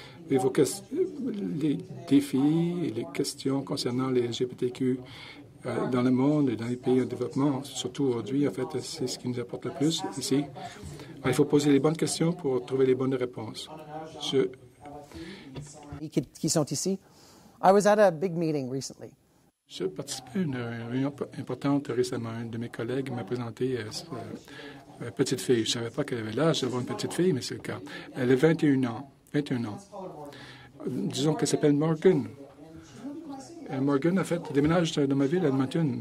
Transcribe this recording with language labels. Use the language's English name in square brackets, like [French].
[French] Et les défis et les questions concernant les LGBTQ dans le monde et dans les pays en développement, surtout aujourd'hui, en fait, c'est ce qui nous apporte le plus ici. Alors, il faut poser les bonnes questions pour trouver les bonnes réponses. Qui sont ici? [English] I was at a big meeting recently. [French] Je participais à une réunion importante récemment. Un de mes collègues m'a présenté une petite fille. Je ne savais pas qu'elle avait l'âge d'avoir une petite fille, mais c'est le cas. Elle a 21 ans. Disons qu'elle s'appelle Morgan. Et Morgan, en fait, déménage dans ma ville à Edmonton.